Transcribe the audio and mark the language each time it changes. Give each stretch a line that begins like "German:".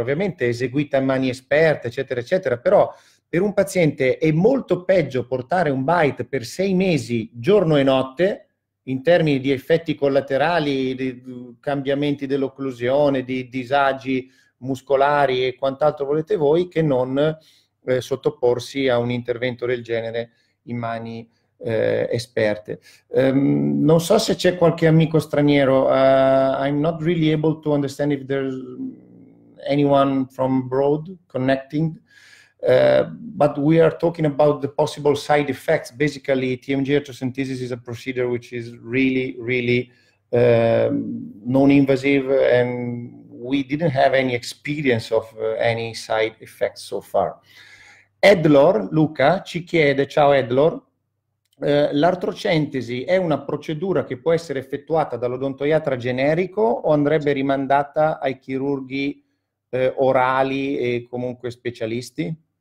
Italian: Ovviamente eseguita a mani esperte, eccetera, eccetera, però per un paziente è molto peggio portare un bite per 6 mesi, giorno e notte, in termini di effetti collaterali, di cambiamenti dell'occlusione, di disagi muscolari e quant'altro volete voi, che non sottoporsi a un intervento del genere in mani esperte. Non so se c'è qualche amico straniero.
English: I'm not really able to understand if there's anyone from abroad connecting. But we are talking about the possible side effects. Basically, TMJ arteriosynthesis is a procedure which is really, really non-invasive, and we didn't have any experience of any side effects so far.
Italian: Edlor, Luca, ci chiede, ciao Edlor, l'artrocentesi è una procedura che può essere effettuata dall'odontoiatra generico o andrebbe rimandata ai chirurghi orali e comunque specialisti?